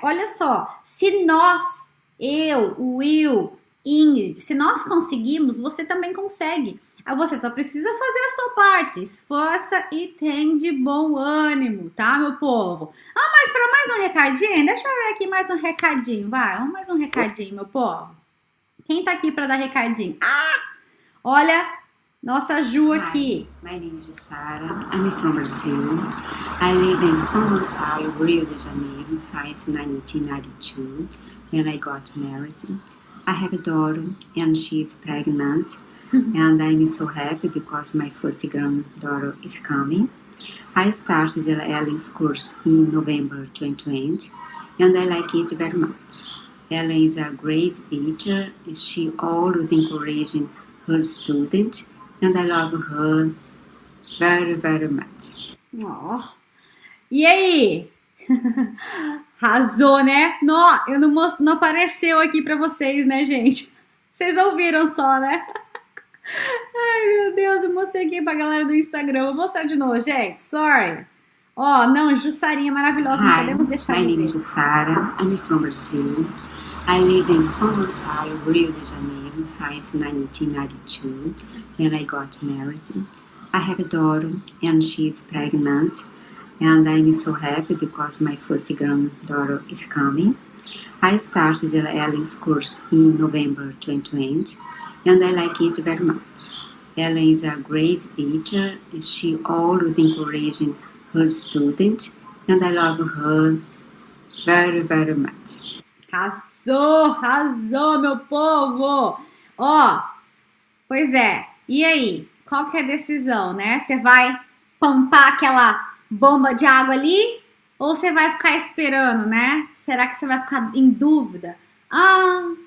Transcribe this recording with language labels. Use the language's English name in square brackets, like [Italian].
[Portuguese] Olha só, se nós, eu, Will, Ingrid, se nós conseguimos, você também consegue. Você só precisa fazer a sua parte, esforça e tem de bom ânimo, tá, meu povo? Ah, mas para mais um recadinho, deixa eu ver aqui mais um recadinho, vai. Mais um recadinho, meu povo. Quem tá aqui para dar recadinho? Ah, olha, nossa Ju aqui. [English] My name is Sara, I'm from Brazil. I live in São Gonçalo, Rio de Janeiro, since 1992, when I got married. I have a daughter and she's pregnant. And I'm so happy because my first granddaughter is coming. I started the Ellen's course in November 2020, and I like it very much. Ellen is a great teacher. She always encourages her students, and I love her very, very much. [Portuguese] Oh. E aí? Arrasou, né? Não, eu não mostro, não apareceu aqui para vocês, né, gente? Vocês ouviram só, né? Ai, meu Deus, eu mostrei aqui pra galera do Instagram. Vou mostrar de novo, gente. Sorry. Oh, não, Jussarinha maravilhosa. [English] Hi, [Portuguese] não podemos deixar. [English] My name is Jussara. I'm from Brazil. I live in São Gonçalo, Rio de Janeiro, since 1992, when I got married. I have a daughter, and she's pregnant. And I'm so happy because my first granddaughter is coming. I started the Ellen's course in November 2020. And I like it very much. Ellen is a great teacher. She always encourages her students. And I love her very, very much. [Portuguese] Arrasou, arrasou, meu povo! Ó, pois é. E aí, qual que é a decisão, né? Você vai pampar aquela bomba de água ali? Ou você vai ficar esperando, né? Será que você vai ficar em dúvida? Ah...